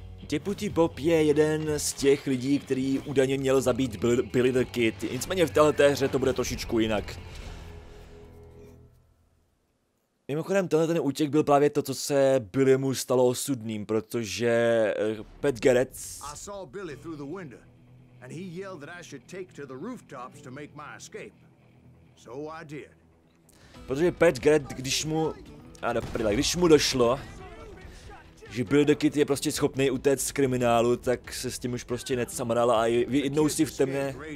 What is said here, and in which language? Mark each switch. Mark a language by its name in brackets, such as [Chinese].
[Czech] Deputy Bob je jeden z těch lidí, který údajně měl zabít Billy the Kid. Nicméně v této hře to bude trošičku jinak. Mimochodem, tenhle ten útěk byl právě to, co se Billymu stalo osudným, protože Pat Garrett. [English] I saw Billy through the window and he yelled that I should take to the rooftops to make my escape. So I did. [Czech] Protože Pat Garrett, když mu došlo, že Billy the Kid je prostě schopný utéct z kriminálu, tak se s tím už prostě necamral a jednou si v temné.